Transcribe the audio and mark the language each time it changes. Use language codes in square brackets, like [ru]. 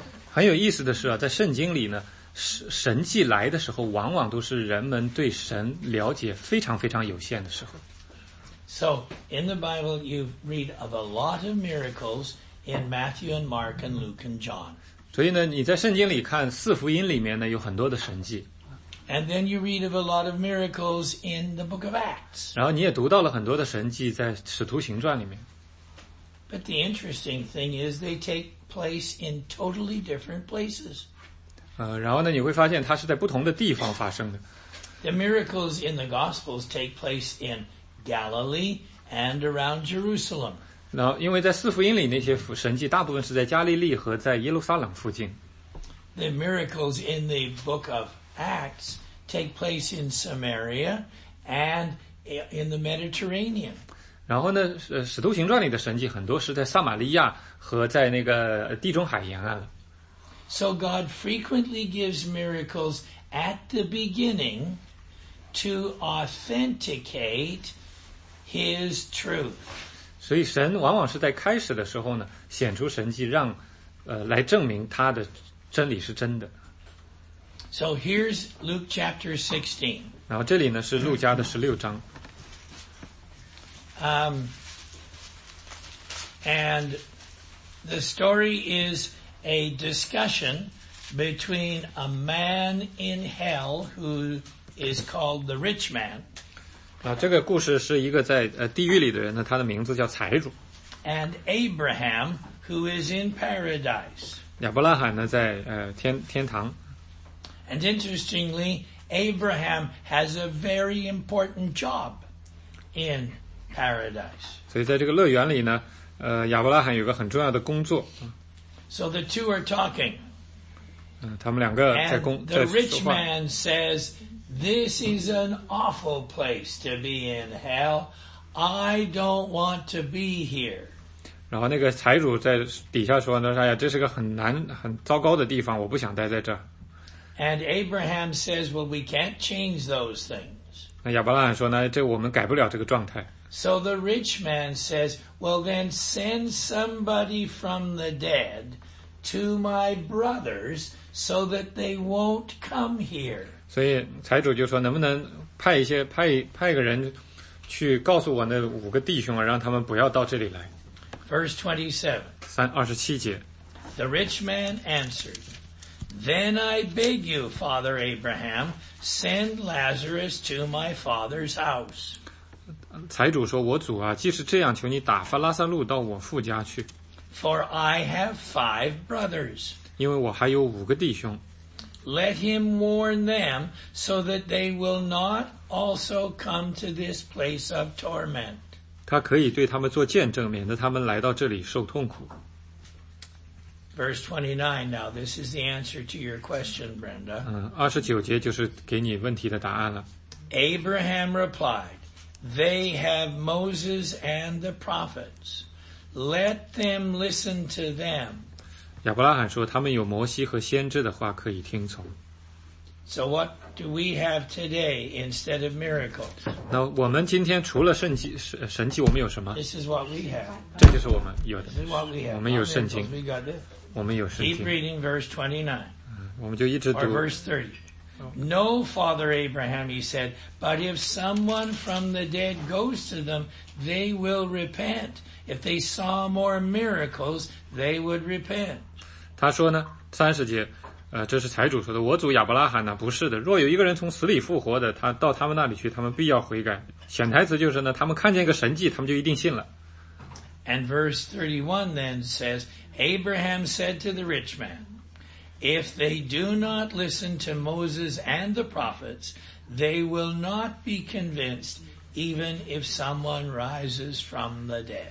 [zh] 很有意思的是啊，在圣经里呢，神迹来的时候，往往都是人们对神了解非常非常有限的时候。 [en] So, in the Bible, you read of a lot of miracles in Matthew and Mark and Luke and John. [zh] 所以呢，你在圣经里看四福音里面呢，有很多的神迹。 [en] And then you read of a lot of miracles in the book of Acts. [zh] 然后你也读到了很多的神迹在使徒行传里面。 [en] But the interesting thing is they take place in totally different places. [zh] 然后呢，你会发现它是在不同的地方发生的。 [en] The miracles in the Gospels take place in Galilee and around Jerusalem. [zh] 然后因为在四福音里那些神迹大部分是在加利利和在耶路撒冷附近。 [en] The miracles in the book of Acts take place in Samaria and in the Mediterranean. [zh] 然后呢，《使徒行传》里的神迹很多是在撒玛利亚和在那个地中海沿岸。 [en] So God frequently gives miracles at the beginning to authenticate his truth. [zh] 所以神往往是在开始的时候呢，显出神迹，让来证明他的真理是真的。 [en] So here's Luke chapter 16. [zh] 然后这里呢是路加的十六章。 [en] And the story is a discussion between a man in hell who is called the rich man. [zh] 啊，这个故事是一个在地狱里的人呢，他的名字叫财主。 [en] And Abraham, who is in paradise. [zh] 亚伯拉罕呢，在天堂。 [en] And interestingly, Abraham has a very important job in paradise. [zh] 所以在这个乐园里呢，亚伯拉罕有个很重要的工作。 [en] So the two are talking. [zh] 他们两个在工作。 [en] And the rich man says, "This is an awful place to be in hell. I don't want to be here." [zh] 然后那个财主在底下说呢，哎呀，这是个很难、很糟糕的地方，我不想待在这儿。 [en] And Abraham says, well, we can't change those things. [zh] 那亚伯拉罕说呢，这我们改不了这个状态。 [en] So the rich man says, well, then send somebody from the dead to my brothers so that they won't come here. [zh] 所以财主就说，能不能派一个人去告诉我那五个弟兄啊，让他们不要到这里来。 [en] Verse 27节。 The rich man answered,Then I beg you, Father Abraham, send Lazarus to my father's house. [zh] 财主说，我主啊，即使这样，求你打发拉撒路到我父家去。 [en] For I have five brothers. [zh] 因为我还有五个弟兄。 [en] Let him warn them so that they will not also come to this place of torment. [zh] 他可以对他们做见证，免得他们来到这里受痛苦。 [en] Verse 29 now, this is the answer to your question, Brenda. [zh] 29节就是给你问题的答案了。 [en] Abraham replied, They have Moses and the prophets. Let them listen to them. [zh] 亚伯拉罕说，他们有摩西和先知的话可以听从。 [en] So what do we have today instead of miracles? [zh] 那我们今天除了神迹，我们有什么？ [en] This is what we have. [zh] 这就是我们有的。 [en] This is what we have. [zh] 我们有圣经。 [en] We got this. Keep reading verse 29. [zh] 我们就一直读。 [en] Or verse 30. No, Father Abraham, he said, but if someone from the dead goes to them, they will repent. If they saw more miracles, they would repent. [zh] 他说呢，三十节，这是财主说的，我主亚伯拉罕呢，不是的。若有一个人从死里复活的，他到他们那里去，他们必要悔改。潜台词就是呢，他们看见一个神迹，他们就一定信了。 [en] And verse 31 then says, Abraham said to the rich man, If they do not listen to Moses and the prophets, they will not be convinced even if someone rises from the dead.